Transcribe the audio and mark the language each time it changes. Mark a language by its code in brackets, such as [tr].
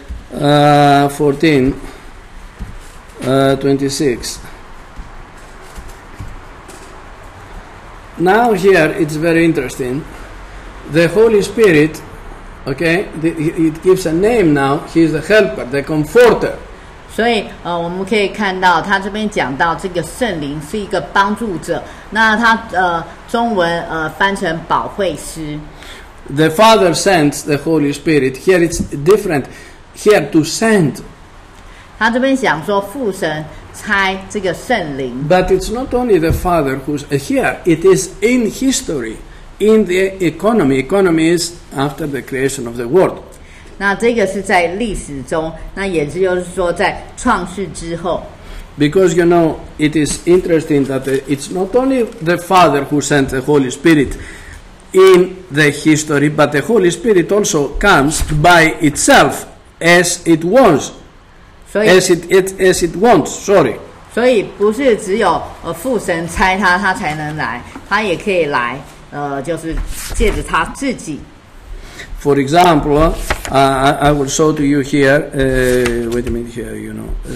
[en] 14:26. Now here it's very interesting. The Holy Spirit Okay, it gives a name now. He is the helper, the comforter. [zh] 所以，我们可以看到他这边讲到这个圣灵是一个帮助者。那他中文翻成保惠师。 [en] The Father sends the Holy Spirit. Here it's different. Here to send. [zh] 他这边想说父神差这个圣灵。 [en] But it's not only the Father who's here. It is in history. In the economy, economy is after the creation of the world. [zh] 那这个是在历史中，那也就是说在创世之后。 [en] Because you know, it is interesting that it's not only the Father who sent the Holy Spirit in the history, but the Holy Spirit also comes by itself as it was, as it wants. Sorry. [zh] 所以不是只有父神差他，他才能来，他也可以来。就是借着他自己。 [en] For example, I will show to you here. Wait a minute here, you know.